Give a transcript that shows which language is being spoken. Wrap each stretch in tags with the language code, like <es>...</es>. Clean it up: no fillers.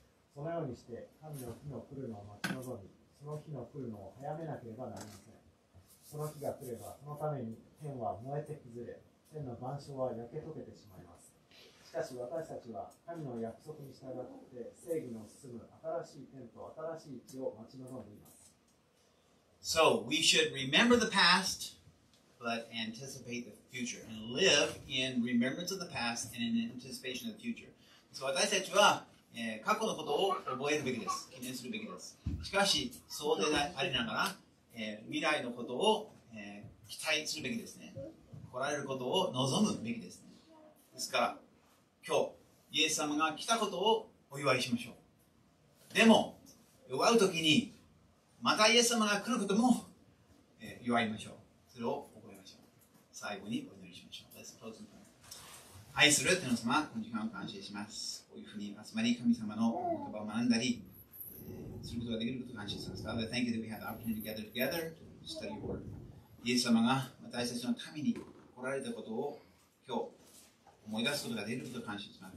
<ja>そのようにして神の日の来るのを待ち望み、その日の来るのを早めなければなりません。その日が来ればそのために天は燃えて崩れ、天の晩鐘は焼け溶けてしまいます。しかし私たちは神の約束に従って正義の進む新しい天と新しい地を待ち望んでいます。</ja> <en>So we should remember the past, but anticipate the future, and live in remembrance of the past and in anticipation of the future.</en> <ja>So 私たちは、過去のことを覚えるべきです。記念するべきです。しかし、そうでありながら、未来のことを、期待するべきですね。来られることを望むべきですね。ですから、今日、イエス様が来たことをお祝いしましょう。でも、祝うときに、またイエス様が来ることも、祝いましょう。それを覚えましょう。最後にお祈りしましょう。</ja> <en>Let's close in prayer.</en> <ja>愛する天の様、この時間を感謝します。こういうふうに集まり、神様の言葉を学んだり、することができることを感謝します。</ja> <en>Father, thank you that we have the opportunity to gather together to study your word.</en> <ja>イエス様が私たちのために来られたことを今日、思い出すことができることを感謝します。</ja>